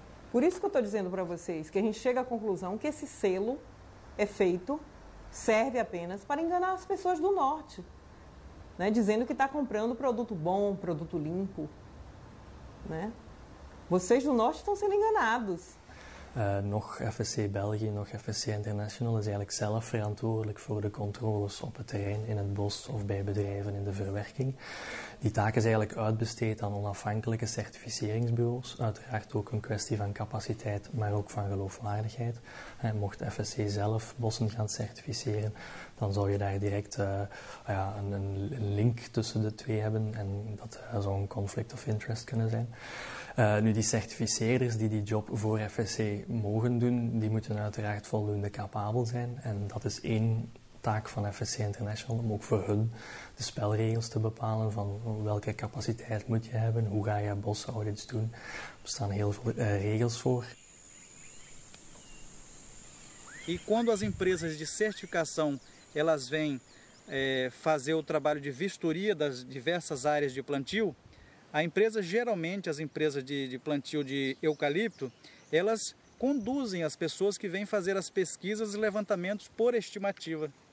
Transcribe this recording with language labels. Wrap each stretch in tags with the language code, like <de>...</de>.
<pt>Por isso que eu estou dizendo para vocês que a gente chega à conclusão que esse selo é feito, serve apenas para enganar as pessoas do norte, né? Dizendo que está comprando produto bom, produto limpo, né? Vocês do norte estão sendo enganados.</pt> <nl>Nog FSC België, nog FSC International is eigenlijk zelf verantwoordelijk voor de controles op het terrein, in het bos of bij bedrijven in de verwerking. Die taak is eigenlijk uitbesteed aan onafhankelijke certificeringsbureaus. Uiteraard ook een kwestie van capaciteit, maar ook van geloofwaardigheid. Mocht FSC zelf bossen gaan certificeren, dan zou je daar direct een link tussen de twee hebben en dat zou een conflict of interest kunnen zijn. Nu, die certificeerders die job voor FSC mogen doen, die moeten uiteraard voldoende capabel zijn. En dat is één taak van FSC International om ook voor hun de spelregels te bepalen van welke capaciteit moet je hebben, hoe ga je bosaudits doen. Er bestaan heel veel regels voor.</nl> <pt>E quando as empresas de certificação elas vêm fazer o trabalho de vistoria das diversas áreas de plantio, a empresa, geralmente as empresas de plantio de eucalipto, elas conduzem as pessoas que vêm fazer as pesquisas e levantamentos por estimativa.</pt>